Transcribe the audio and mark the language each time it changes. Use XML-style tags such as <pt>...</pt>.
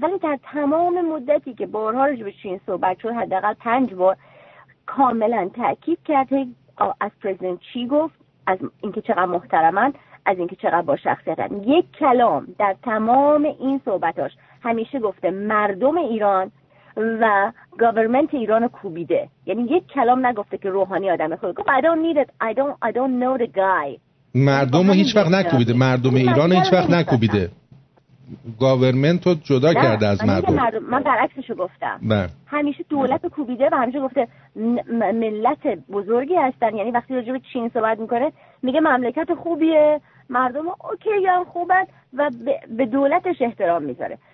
<fa>ولی در تمام مدتی که بارها راجب چین صحبت شد، حداقل 5 بار، کاملا تأکید کرد از پرزیدنت چی گفت، از اینکه چقدر محترمن، از اینکه چقدر با شخصیتن. یک کلام در تمام این صحبتاش همیشه گفته مردم ایران و گورنمنت ایران رو کوبیده، یعنی یک کلام نگفته که روحانی آدم خوبه. گفت</fa> <en>I don't know the guy.</en> <fa>مردم رو هیچ وقت نکوبیده، مردم ایران رو هیچ وقت نکوبیده، گورنمنت رو جدا کرده از مردم. من برعکسش رو گفتم، همیشه دولت رو کوبیده و همیشه گفته ملت بزرگی هستن. یعنی وقتی راجع به چین صحبت میکنه میگه مملکت خوبیه، مردم اوکی هم خوبن و به دولتش احترام میذاره.</fa>